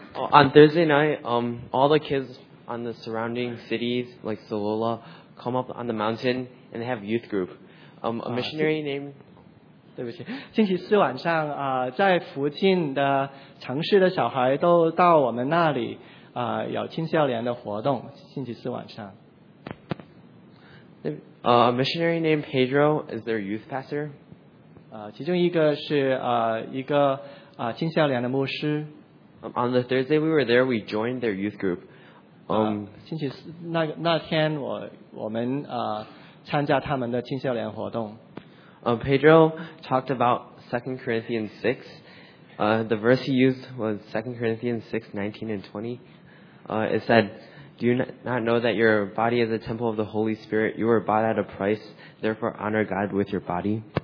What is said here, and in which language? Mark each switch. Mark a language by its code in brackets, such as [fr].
[en] On Thursday night, all the kids on the surrounding cities, like Solola, come up on the mountain and they have youth group. A missionary named [zh] 对不起，星期四晚上啊、在附近的城市的小孩都到我们那里啊、有青少年的活动。星期四晚上。 [en] A missionary named Pedro is their youth pastor. [zh] 其中一个是一个青少年的牧师。 [en] On the Thursday we were there, we joined their youth group. [zh] 星期四那天我们参加他们的青少年活动。 [en] Pedro talked about 2 Corinthians 6. The verse he used was 2 Corinthians 6, 19 and 20. It said, Do you not know that your body is a temple of the Holy Spirit? You were bought at a price. Therefore, honor God with your body.